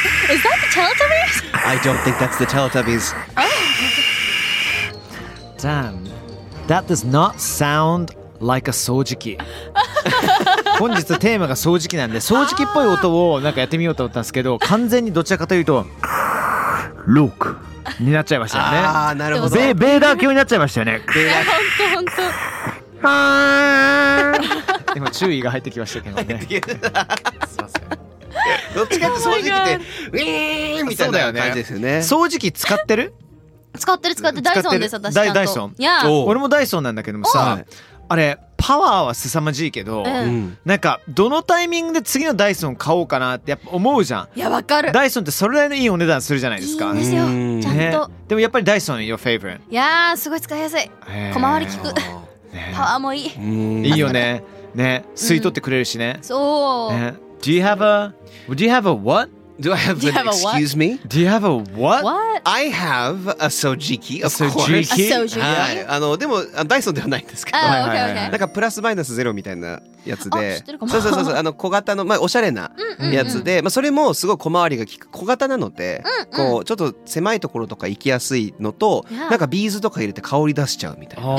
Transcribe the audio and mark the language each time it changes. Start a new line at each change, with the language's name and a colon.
English: Is that the Teletubbies? I don't think that's the Teletubbies. Oh. Damn. That does not sound like a 掃除機.
Japanese: 本日テーマが掃除機なんで、掃除機っぽい音をなんかやってみようと思ったんですけど、完全にどちらかというと、ロックになっちゃいましたよね。あー、なるほど。ベーダー級になっちゃいましたよね。本当本当。今注意が入ってきましたけどね。入ってきました。すいません。どっちかって掃除機ってウィーンみたいな感じですよね。掃除機使ってる？使ってる使ってる。ダイソンです私ちゃんと。ダイソン。いや、俺もダイソンなんだけどもさ、あれパワーは凄まじいけど、なんかどのタイミングで次のダイソン買おうかなってやっぱ思うじゃん。いや、わかる。ダイソンってそれなりのいいお値段するじゃないですか。いいんですよ、ちゃんと。でもやっぱりダイソン
English: your favorite。
Japanese: いやー、すごい使いやすい。小回り効く。パワーもいい。いいよね。ね、吸い取ってくれるしね。そう。
English: Do you have a? Do you have a what? Do I have an excuse me? Do you have a what? What? I have a sojiki, of course. A sojiki.
Japanese: はい、あのでもダイソンではないんですけど、
English: oh, okay, okay.
Japanese: なんかプラスマイナスゼロみたいなやつで、あ、知ってるかも。そうそうそうそう、あの小型のまあおしゃれなやつで、うんうんうん、まあそれもすごい小回りが効く小型なので、うんうん、こうちょっと狭いところとか行きやすいのと、yeah. なんかビーズとか入れて香り出しちゃうみたいな。